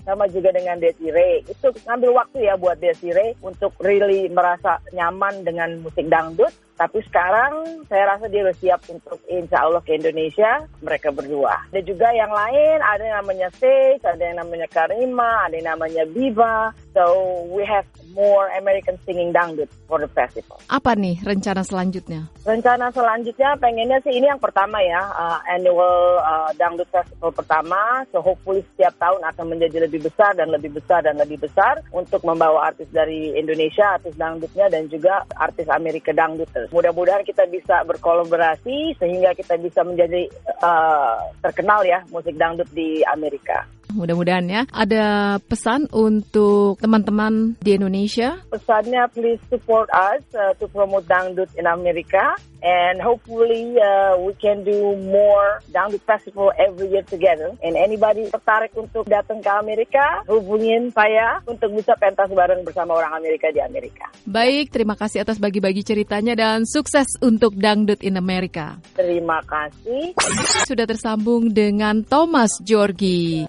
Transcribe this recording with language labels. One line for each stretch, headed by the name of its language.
Indonesian: Sama juga dengan Desiree. Itu ngambil waktu ya buat Desiree untuk really merasa nyaman dengan musik dangdut. Tapi sekarang saya rasa dia sudah siap untuk insya Allah ke Indonesia, mereka berdua. Ada juga yang lain, ada yang namanya Sage, ada yang namanya Karima, ada yang namanya Biva.
English: So we have more American singing dangdut for the festival.
Indonesian: Apa nih rencana selanjutnya? Rencana selanjutnya pengennya sih ini yang pertama ya,
English: annual dangdut festival
Indonesian: pertama.
English: So hopefully
Indonesian: setiap tahun akan menjadi lebih besar dan lebih besar dan lebih besar untuk membawa artis dari Indonesia, artis dangdutnya dan juga artis Amerika dangdut. Mudah-mudahan kita bisa berkolaborasi sehingga kita bisa menjadi terkenal ya musik dangdut di Amerika. Mudah-mudahan ya. Ada pesan untuk teman-teman di Indonesia? Pesannya
English: please support us to promote dangdut in America. And hopefully we can do more dangdut festival every year together. And anybody
Indonesian: tertarik untuk datang ke Amerika, hubungin saya untuk bisa pentas bareng bersama orang Amerika di Amerika. Baik, terima kasih atas bagi-bagi ceritanya dan sukses untuk dangdut
English: in America.
Indonesian: Terima kasih. Sudah tersambung dengan Thomas Georgi.